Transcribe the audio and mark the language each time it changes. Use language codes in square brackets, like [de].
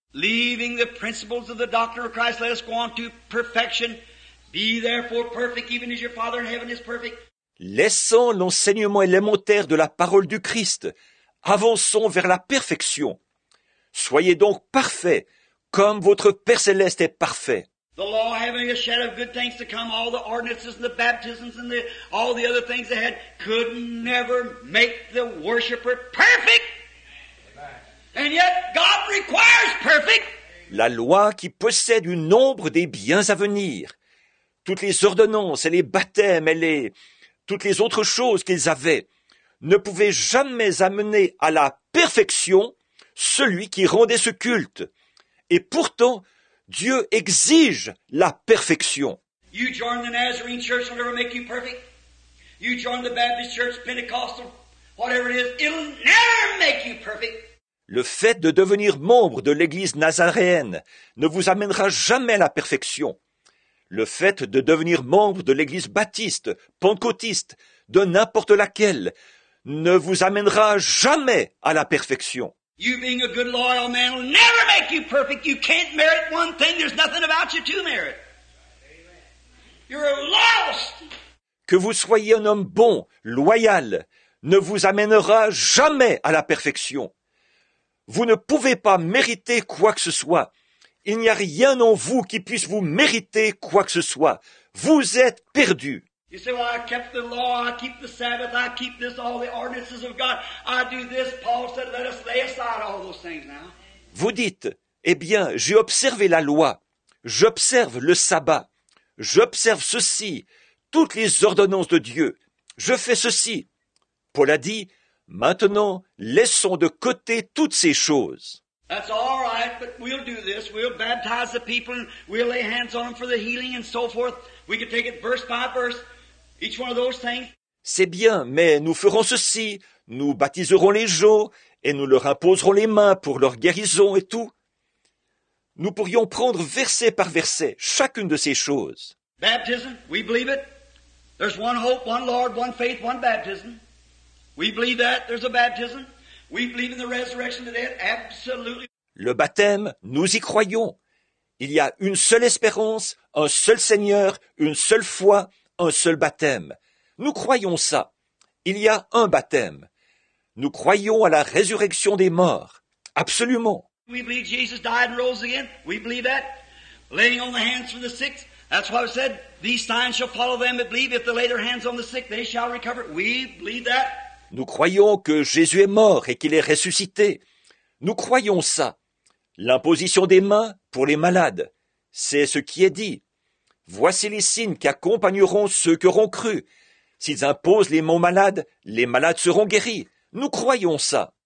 [en] Leaving the principles of the doctrine of Christ, let us go on to perfection. Be therefore perfect, even as your Father in heaven is perfect. [fr] Laissant l'enseignement élémentaire de la parole du Christ, avançons vers la perfection. Soyez donc parfaits, comme votre Père céleste est parfait. [en] The law having a shadow of good things to come, all the ordinances and the baptisms and all the other things they had, could never make the worshiper perfect. And yet, God requires perfect. [fr] La loi qui possède une ombre des biens à venir, toutes les ordonnances et les baptêmes et toutes les autres choses qu'ils avaient, ne pouvait jamais amener à la perfection celui qui rendait ce culte. Et pourtant, Dieu exige la perfection. [en] You join the Nazarene church, it'll never make you perfect. You join the Baptist church, Pentecostal, whatever it is, it'll never make you perfect. [fr] Le fait de devenir membre de l'église nazaréenne ne vous amènera jamais à la perfection. Le fait de devenir membre de l'église baptiste, pentecôtiste, de n'importe laquelle, ne vous amènera jamais à la perfection. [en] You being a good loyal man will never make you perfect. You can't merit one thing. There's nothing about you to merit. You're lost. [fr] Que vous soyez un homme bon, loyal, ne vous amènera jamais à la perfection. Vous ne pouvez pas mériter quoi que ce soit. Il n'y a rien en vous qui puisse vous mériter quoi que ce soit. Vous êtes perdu. [en] You say, well, I kept the law, I keep the Sabbath, I keep this, all the ordinances of God, I do this. Paul said, let us lay aside all those things now. [fr] Vous dites, eh bien, j'ai observé la loi, j'observe le sabbat, j'observe ceci, toutes les ordonnances de Dieu, je fais ceci. Paul a dit, maintenant, laissons de côté toutes ces choses. [en] That's all right, but we'll do this, we'll baptize the people, and we'll lay hands on them for the healing and so forth. We can take it verse by verse. Each one of those things. [fr] C'est bien, mais nous ferons ceci, nous baptiserons les gens et nous leur imposerons les mains pour leur guérison et tout. Nous pourrions prendre verset par verset chacune de ces choses. [en] Baptism, we believe it. There's one hope, one Lord, one faith, one baptism. We believe that there's a baptism. We believe in the resurrection of the dead, absolutely. [fr] Le baptême, nous y croyons. Il y a une seule espérance, un seul Seigneur, une seule foi, un seul baptême. Nous croyons ça. Il y a un baptême. Nous croyons à la résurrection des morts. Absolument. [en] We believe Jesus died and rose again. We believe that. Laying on the hands for the sick. That's why I said, these signs shall follow them that believe. If they lay their hands on the sick, they shall recover. We believe that. [fr] Nous croyons que Jésus est mort et qu'il est ressuscité. Nous croyons ça. L'imposition des mains pour les malades. C'est ce qui est dit. Voici les signes qui accompagneront ceux qui auront cru. S'ils imposent les mains aux malades, les malades seront guéris. Nous croyons ça.